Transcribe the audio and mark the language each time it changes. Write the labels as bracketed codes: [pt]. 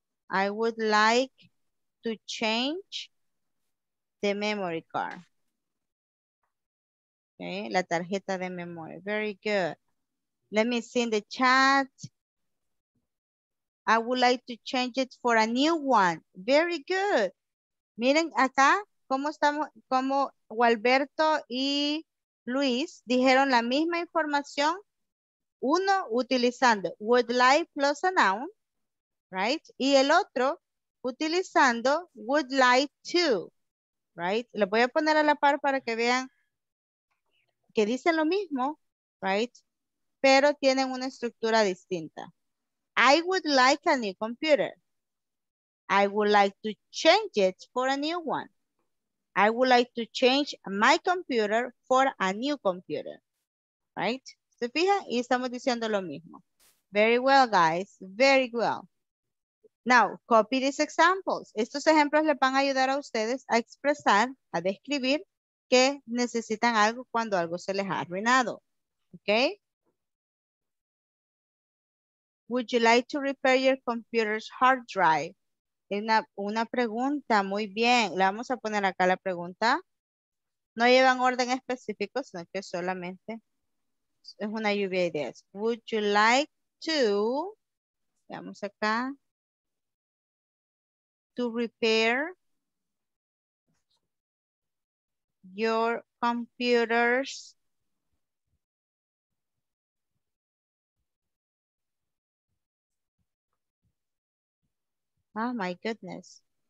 [en] I would like to change the memory card. Okay, [es] la tarjeta de memoria. [en] Very good. Let me see in the chat. I would like to change it for a new one. Very good. [es] Miren acá, cómo estamos, cómo Gualberto y Luis dijeron la misma información. [en] Uno utilizando would like plus a noun, right? [es] Y el otro utilizando would like to, right? Lo voy a poner a la par para que vean que dicen lo mismo, right? Pero tienen una estructura distinta. [en] I would like a new computer. I would like to change it for a new one. I would like to change my computer for a new computer. Right? [es] ¿Se fija? Y estamos diciendo lo mismo. [en] Very well, guys. Very well. Now, copy these examples. [es] Estos ejemplos les van a ayudar a ustedes a expresar, a describir que necesitan algo cuando algo se les ha arruinado. [en] Okay? Would you like to repair your computer's hard drive? [es] Es una pregunta, muy bien. Le vamos a poner acá la pregunta. No llevan orden específico, sino que solamente es una lluvia de ideas. [en] Would you like to, veamos acá, to repair your computer's oh my goodness.